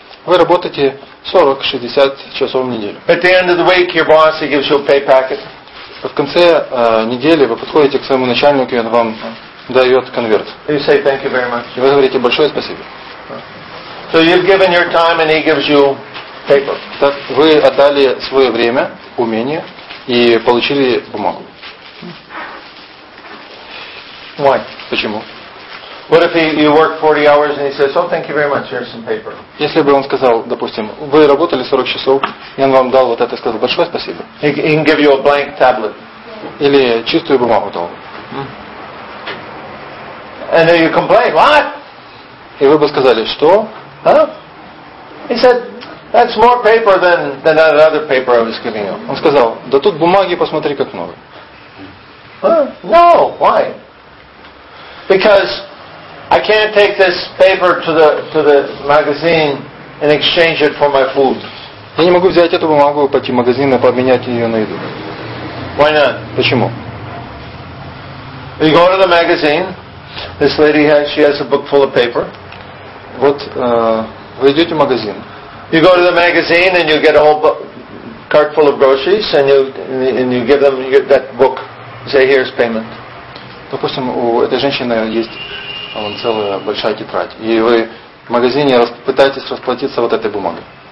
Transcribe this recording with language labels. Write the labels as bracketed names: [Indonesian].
[Russian] Вы работаете 40-60 часов в неделю. [English] At the end of the week, your boss gives you a pay packet. [Russian] В конце недели вы подходите к своему начальнику, и он вам дает конверт. [English] You say thank you very much. [Russian] И вы говорите большое спасибо. [English] So you've given your time and he gives you paper. [Russian] Так вы отдали свое время, умение и получили бумагу. [English] Why? [Russian] Почему? [English] What if you work 40 hours and he says, "Oh, thank you very much. Here's some paper." [Russian] Если бы он сказал, допустим, вы работали 40 часов, и он вам дал вот это, сказал, большое спасибо. [English] He can give you a blank tablet. [Russian] Или чистую бумагу дал. [English] And then you complain, what? [Russian] И вы бы сказали, что? А? [English] He said, that's more paper than that other paper I was giving you. [Russian] Он сказал, да тут бумаги, посмотри, как много. [English] No, why? Because I can't take this paper to the magazine and exchange it for my food. [Russian] Я не могу взять эту бумагу и пойти в магазин и поменять ее на еду. [English] Why not? [Russian] Почему? [English] You go to the magazine. This lady has, she has a book full of paper. [Russian] Вот вы идете в магазин. [English] You go to the magazine and you get a whole cart full of groceries and you give them that book. Say, here's payment. [Russian] Допустим, у этой женщины есть вон, целая большая тетрадь, и вы в магазине пытаетесь расплатиться вот этой бумагой.